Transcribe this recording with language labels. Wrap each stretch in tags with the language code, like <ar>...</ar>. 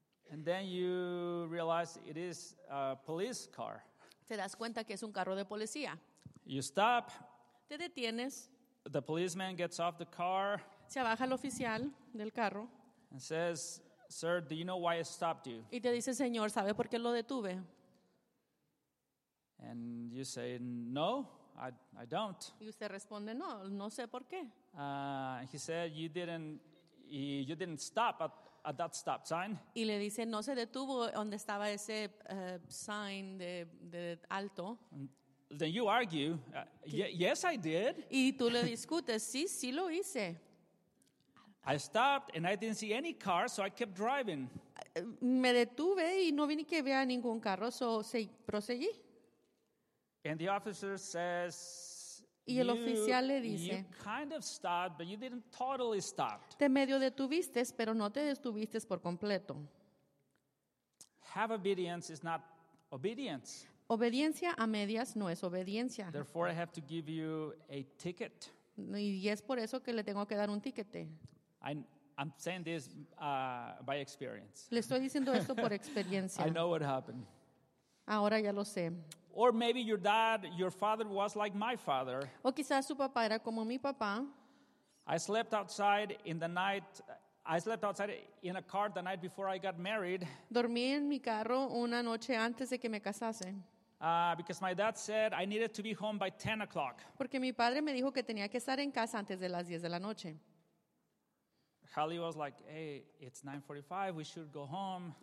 <en>And then you realize it is a police car.</en> <es>Te das cuenta que es un carro de policía.</es> <en>You stop.</en> <es>Te detienes.</es> <en>The policeman gets off the car.</en> <es>Se baja el oficial del carro.</es> <en>And says, "Sir, do you know why I stopped you?"</en> <es>Y te dice, "Señor, ¿sabe por qué lo detuve?"</es> <en>And you say, "No, I don't."</en> <es>Y usted responde, "No, no sé por qué."</es> <en>He said, "You didn't stop at that stop sign."</en> <es>Y le dice, "No se detuvo donde estaba ese sign de alto."</es> <en>And then you argue, "Yes, I did."</en> <es>Y tú le discutes, "Sí, sí lo hice."</es> <en>I stopped and I didn't see any car, so I kept driving.</en> <es>Me detuve y no vi ni que vea ningún carro, so proseguí.</es> <en>And the officer says,</en> <es>y el oficial le dice,</es> <en>"You kind of stopped, but you didn't totally stop."</en> <es>Te medio detuviste, pero no te detuviste por completo.</es> <en>Have obedience is not obedience.</en> <es>Obediencia a medias no es obediencia.</es> <en>Therefore, I have to give you a ticket.</en> <es>Y es por eso que le tengo que dar un tiquete.</es> <en>I'm saying this by experience.</en> <es>Le estoy diciendo esto por experiencia.</es> <en>I know what happened.</en> <es>Ahora ya lo sé.</es> <en>Or maybe your father was like my father.</en> <es>O quizás su papá era como mi papá.</es> <en>I slept outside in the night. I slept outside in a car the night before I got married.</en> <es>Dormí en mi carro una noche antes de que me casase.</es> <en>Because my dad said I needed to be home by 10 o'clock.</en> <es>Porque mi padre me dijo que tenía que estar en casa antes de las 10 de la noche.</es> <en>Holly was like, "Hey, it's 9:45. We should go home."</en>